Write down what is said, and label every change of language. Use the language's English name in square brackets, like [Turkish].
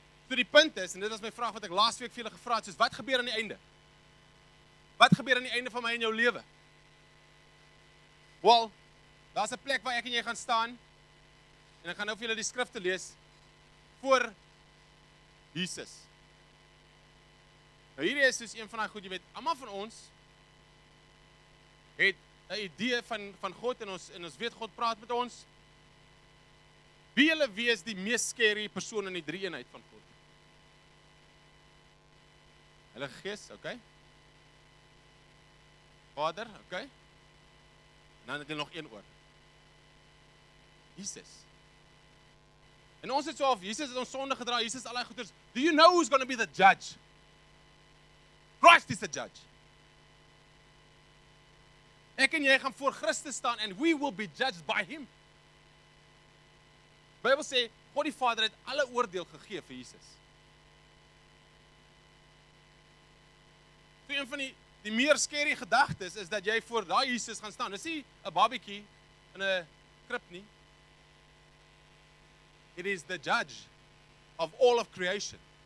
[Afrikaans] So die punt is, en dit was my vraag wat ek laas week vir julle gevra het, soos wat gebeur aan die einde? Wat gebeur aan die einde van my en jou lewe? Well, daar is 'n plek waar ek en jy gaan staan, en ek gaan nou vir julle die skrifte lees voor Jesus. Nou hierdie is soos een van die goed, jy weet, almal van ons het 'n idee van God en ons weet God praat met ons. Wie julle wees die mees scary persoon in die drie eenheid van God? Heilige Gees, okay. Vader, okay. En dan het jy nog een oor. Jesus. En ons het so af, Jesus het ons sonde gedra, Jesus al die goeders, [English] do you know who's going to be the judge? [Afrikaans] Christ is the judge. Ek en jy gaan voor Christus staan, [English] and we will be judged by him. [Afrikaans] Die Bible sê, God die Vader het alle oordeel gegee vir Jesus. So een van die meer scary gedagtes is dat jy voor daai Jesus gaan staan. Dis nie 'n babiekie in 'n krib nie. [English] It is the judge of all of creation.